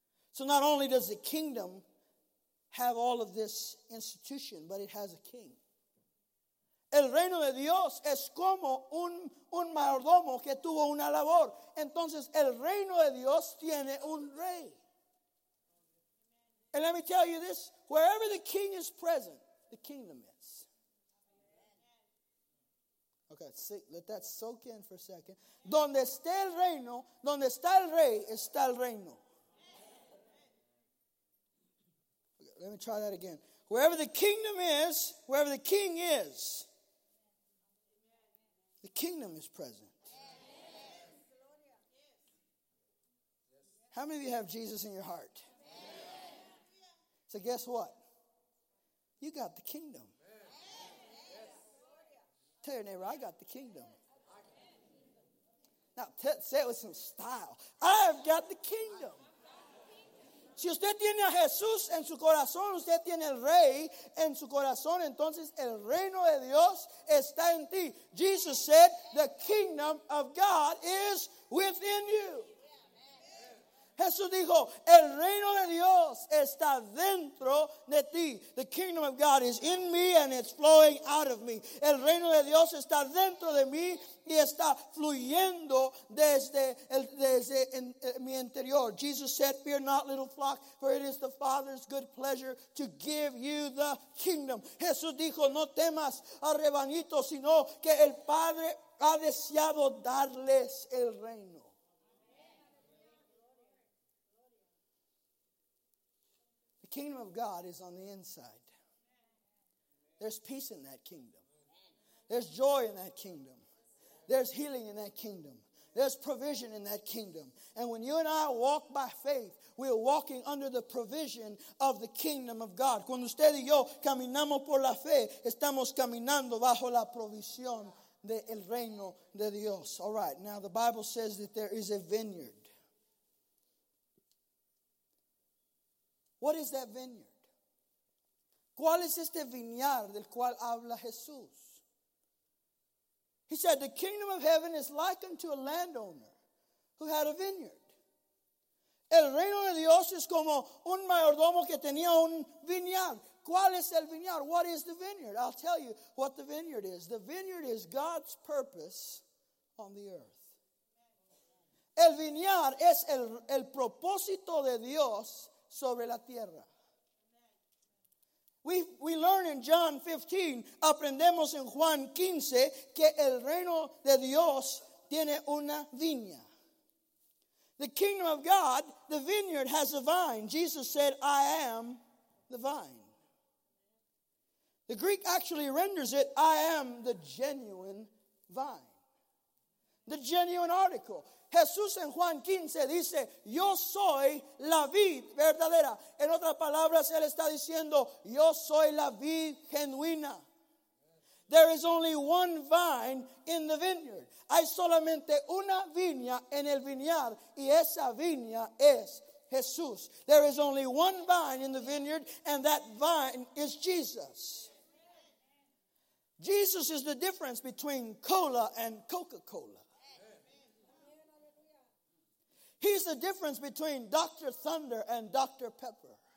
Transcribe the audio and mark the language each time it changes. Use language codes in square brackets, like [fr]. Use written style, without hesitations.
[en] So not only does the kingdom have all of this institution, but it has a king. [es] El reino de Dios es como un mayordomo que tuvo una labor. Entonces, el reino de Dios tiene un rey. [en] And let me tell you this, wherever the king is present, the kingdom is. Okay, see, let that soak in for a second. [es] Donde esté el reino, donde está el rey, está el reino. [en] Let me try that again. Wherever the kingdom is, wherever the king is, the kingdom is present. Amen. How many of you have Jesus in your heart? Amen. So guess what? You got the kingdom. Amen. Tell your neighbor, I got the kingdom. Now say it with some style. I've got the kingdom. [es] Si usted tiene a Jesús en su corazón, usted tiene el rey en su corazón, entonces el reino de Dios está en ti. [en] Jesus said, the kingdom of God is within you. [es] Jesús dijo, el reino de Dios está dentro de ti. [en] The kingdom of God is in me and it's flowing out of me. [es] El reino de Dios está dentro de mí y está fluyendo desde mi interior. [en] Jesus said, fear not, little flock, for it is the Father's good pleasure to give you the kingdom. [es] Jesús dijo, no temas a rebanito, sino que el Padre ha deseado darles el reino. [en] The kingdom of God is on the inside. There's peace in that kingdom. There's joy in that kingdom. There's healing in that kingdom. There's provision in that kingdom. And when you and I walk by faith, we are walking under the provision of the kingdom of God. [es] Cuando usted y yo caminamos por la fe, estamos caminando bajo la provisión del reino de Dios. [en] All right, now the Bible says that there is a vineyard. What is that vineyard? [es] ¿Cuál es este viñar del cual habla Jesús? [en] He said, the kingdom of heaven is likened to a landowner who had a vineyard. [es] El reino de Dios es como un mayordomo que tenía un viñar. ¿Cuál es el viñar? [en] What is the vineyard? I'll tell you what the vineyard is. The vineyard is God's purpose on the earth. [es] El viñar es el propósito de Dios sobre la tierra. [en] We learn in John 15, [es] aprendemos en Juan 15, que el reino de Dios tiene una viña. [en] The kingdom of God, the vineyard has a vine. Jesus said, I am the vine. The Greek actually renders it, I am the genuine vine. The genuine article. [es] Jesús en Juan 15 dice, yo soy la vid verdadera. En otras palabras, él está diciendo, yo soy la vid genuina. [en] There is only one vine in the vineyard. [es] Hay solamente una viña en el viñar y esa viña es Jesús. [en] There is only one vine in the vineyard and that vine is Jesus. Jesus is the difference between cola and Coca-Cola. He's the difference between Dr. Thunder and Dr. Pepper.